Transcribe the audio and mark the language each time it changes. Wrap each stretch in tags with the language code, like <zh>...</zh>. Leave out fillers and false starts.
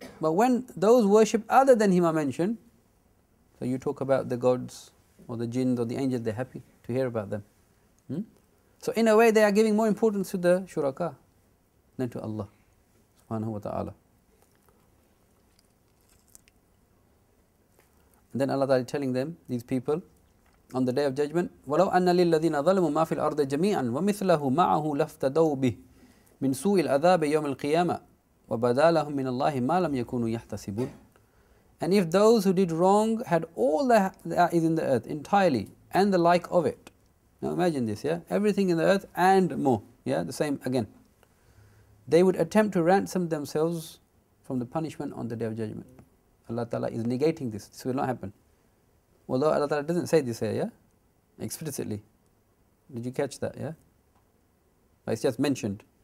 <en>But when those worship other than Him are mentioned, so you talk about the gods or the jinns or the angels, they're happy to hear about them. So in a way, they are giving more importance to the shuraka than to Allah subhanahu wa ta'ala. And then Allah is telling them, these people, on the Day of Judgment,</en> <ar>وَلَوْ أَنَّ لِلَّذِينَ ظَلَمُوا مَا فِي الْأَرْضِ جَمِيعًا وَمِثْلَهُ مَعَهُ لَفْتَدَوْ بِهِ مِنْ سُوءِ الْعَذَابِ يَوْمِ الْقِيَامَةِ وَبَدَى لَهُمْ مِنَ اللَّهِ مَا لَمْ يَكُونُوا يَحْتَسِبُونَ.</ar> <en>And if those who did wrong had all that is in the earth entirely and the like of it. Now imagine this, yeah? Everything in the earth and more, yeah? The same again. They would attempt to ransom themselves from the punishment on the Day of Judgment. Allah Ta'ala is negating this. This will not happen. Although Allah Ta'ala doesn't say this here, yeah? Explicitly. Did you catch that, yeah? But it's just mentioned.</en>